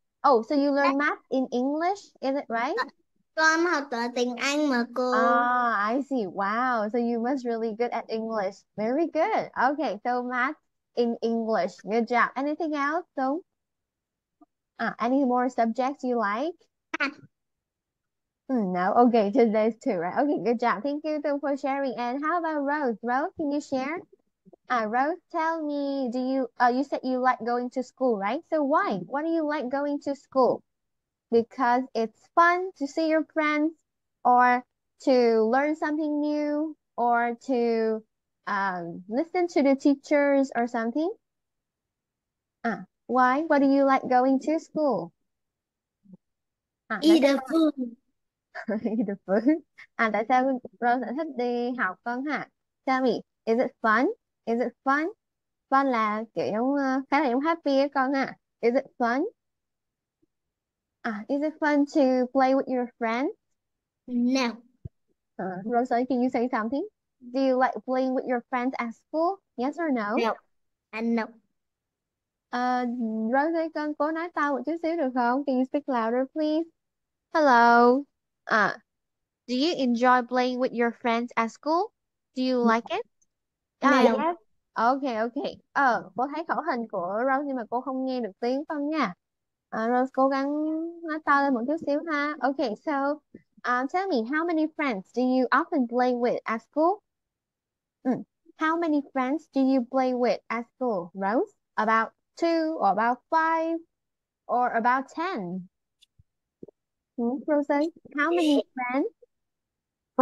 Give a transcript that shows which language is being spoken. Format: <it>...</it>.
<en>Oh, so you learn math in English, is it right?</en> <vi>Con học tờ tiếng Anh mà cô.</vi> <en>I see. Wow. So you must really good at English. Very good. Okay, so math in English. Good job. Anything else though? Any more subjects you like? No. Okay, just those two, right? Okay, good job. Thank you though for sharing. And how about Rose? Rose, can you share? Rose, tell me, do you you said you like going to school, right? So why? Why do you like going to school? Because it's fun to see your friends or to learn something new or to listen to the teachers or something. Why? What do you like going to school? Y là phương. Tại sao the food.</en> <vi>Tại sao Rose lại thích đi học con ha?</vi> <en>Tell me, is it fun?</en> <vi>Is it fun? Fun là kiểu giống khá là giống happy ấy con ạ.</vi> <en>Is it fun? Is it fun to play with your friends? No. Rosa, can you say something? Do you like playing with your friends at school? Yes or no? No. And no.</en> <vi>Rosa, con cố nói to một chút xíu được không?</vi> <en>Can you speak louder, please? Hello. Do you enjoy playing with your friends at school? Do you like it? Mèo. Yes. Ok.</en> <vi>Cô thấy khẩu hình của Rose nhưng mà cô không nghe được tiếng con nha. Rose cố gắng nói to lên một chút xíu ha.</vi> <en>Ok, so tell me, how many friends do you often play with at school? How many friends do you play with at school, Rose? About two or about five or about 10? Rose, how many friends? Oh,</en>